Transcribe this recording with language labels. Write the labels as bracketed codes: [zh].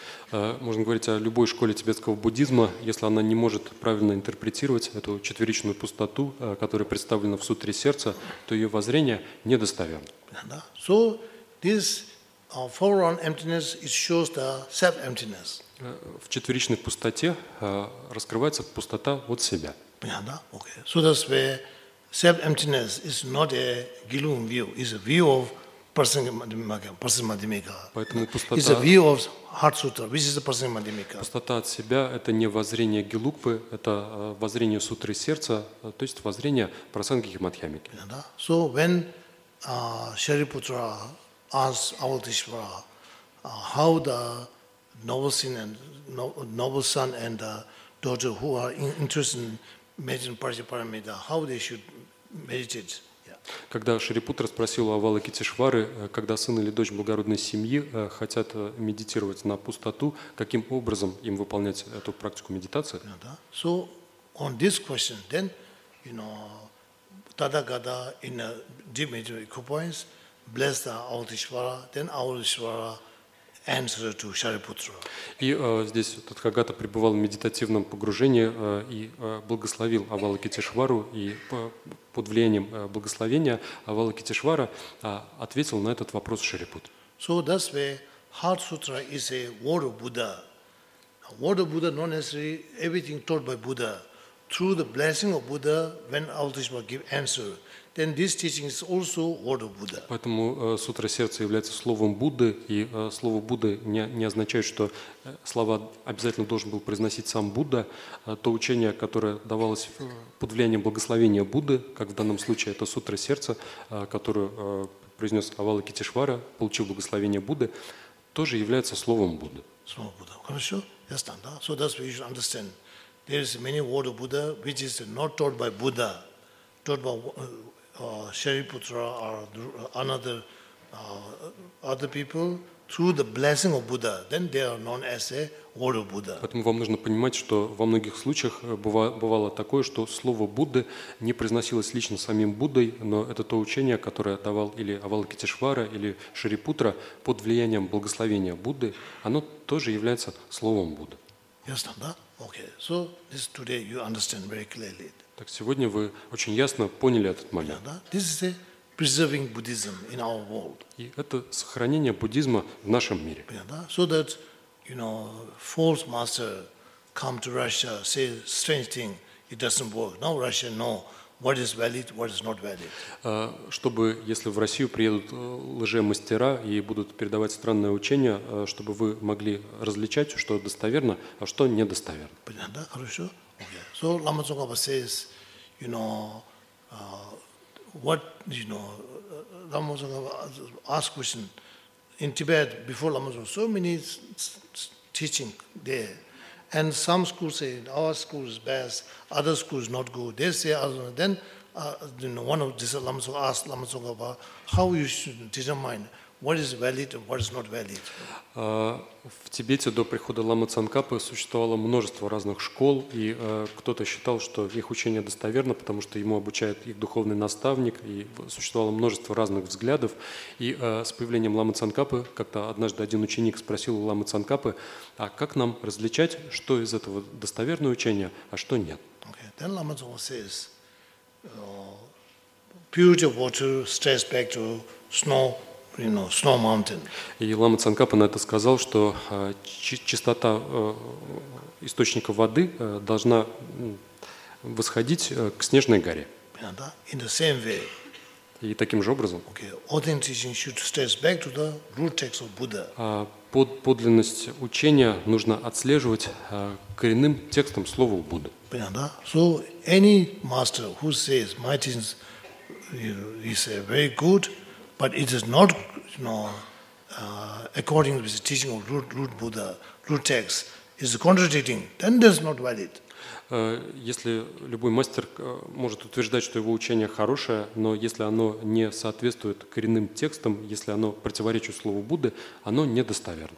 [ru] Можно говорить о любой школе тибетского буддизма, если она не может правильно интерпретировать эту четверичную пустоту, которая представлена в Сутре Сердца, то ее воззрение недостоверно. [en] So this four-round emptiness, it shows the self-emptiness. [ru] В четверичной пустоте раскрывается пустота от себя. Понятно? [en] Okay. So that's where self-emptiness is not a gilum view, it's a view of Prasangika Madhyamika. [ru] Пустота от себя – это не воззрение Гелугпы, это воззрение Сутры Сердца, то есть воззрение Прасангики Мадхьямики. [en] So when Shariputra asked Avalokiteshvara how the noble son and the daughter who are interested in meditating Prajaparamita, how they should meditate. [ru] Когда Шарипутра спросил у Авалокитешвары, когда сын или дочь благородной семьи хотят медитировать на пустоту, каким образом им выполнять эту практику медитации? [en] So on this question, then, you know, Tathagata in a deep meditative equipoise blessed Avalokiteshvara, then Avalokiteshvara answered to Shariputra. [ru] И здесь Тадхагата пребывал в медитативном погружении и благословил Авалокитешвару, и под влиянием благословения Авалокитешвара ответил на этот вопрос Шарипут. [en] So that's why Heart Sutra is a word of Buddha. A word of Buddha, not necessarily everything taught by Buddha. Through the blessing of Buddha, when Avalokiteshvara give answer, then this teaching is also word of Buddha. [ru] Поэтому Сутра Сердца является словом Будды, и слово Будды не означает, что слова обязательно должен был произносить сам Будда. То учение, которое давалось под влиянием благословения Будды, как в данном случае это Сутра Сердца, которую произнес Авалокитешвара, получив благословение Будды, тоже является словом Будды. Слово Будды. Хорошо? Ясно, да? [en] So that's what you should understand. There is many word of Buddha, which is not taught by Buddha, taught by Shariputra or other people through the blessing of Buddha. Then they are known as a word of Buddha. [ru] Поэтому вам нужно понимать, что во многих случаях бывало такое, что слово Будды не произносилось лично самим Буддой, но это то учение, которое давал или Авалокитешвара, или Шарипутра под влиянием благословения Будды, оно тоже является словом Будды. Ясно, да? [en] Okay, so this today you understand very clearly. [ru] Так сегодня вы очень ясно поняли этот момент. [en] This is preserving Buddhism in our world. [ru] И это сохранение буддизма в нашем мире. [en] So that you know, false master come to Russia, say strange thing, it doesn't work. Now Russia know what is valid, what is not valid. [ru] Чтобы, если в Россию приедут лжемастера и будут передавать странное учение, чтобы вы могли различать, что достоверно, а что недостоверно. Понятно, хорошо. [en] Okay. So Lama Tsongkhapa says, you know, what, you know, Lama Tsongkhapa asked question in Tibet before Lama Tsongkhapa, so many teaching there. And some schools say our school is best, other school is not good. They say other. Then you know, one of these Lama Tsongkhapa asked Lama Tsongkhapa how you should determine what is valid and what is not valid. [ru] В Тибете до прихода Лама Цанкапы существовало множество разных школ, и кто-то считал, что их учение достоверно, потому что ему обучает их духовный наставник, и существовало множество разных взглядов. И с появлением Лама Цанкапы как-то однажды один ученик спросил у Лама Цанкапы, а как нам различать, что из этого достоверное учение, а что нет? [en] Okay. Then Lama Tsongkhapa says, pure water, stress back to snow. You know, snow mountain. [ru] И Лама Цанкапа на это сказал, что чистота источника воды должна восходить к снежной горе. [en] In the same way. [ru] И таким же образом. [en] Okay. Authenticity should stress back to the root text of Buddha. [ru] Подлинность учения нужно отслеживать коренным текстом слова Будды. Понятно? [en] So any master who says my teachings is very good, but it is not, you know, according to the teaching of root Buddha, root text, is contradicting, then it is not valid. [ru] Если любой мастер может утверждать, что его учение хорошее, но если оно не соответствует коренным текстам, если оно противоречит слову Будды, оно недостоверно.